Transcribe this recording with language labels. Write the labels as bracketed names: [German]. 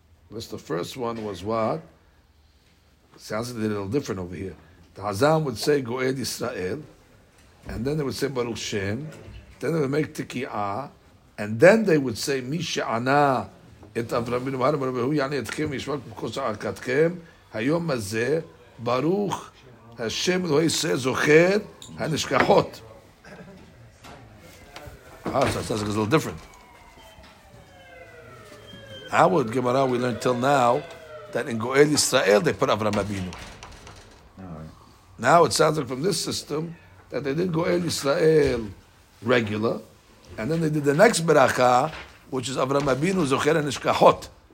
[English] This the first one was what? Sounds a little different over here. The Hazan would say Goed Israel, and then they would say Baruch Shem, then they would make Tekiah, and then they would say [Hebrew] מי שענה את אברהם? והוא יענה אתכם וישמע בכל צעקתכם היום הזה ברוך השם אלוהי ישראל זוכר הנשכחות. [English] Ah, so it sounds like it's a little different. How would Gemara we learned till now that in Goel Yisrael they put Avraham Avinu? Right. Now it sounds like from this system that they did Goel Yisrael regular, and then they did the next beracha, which is Avraham Avinu Zocher Nishkachot.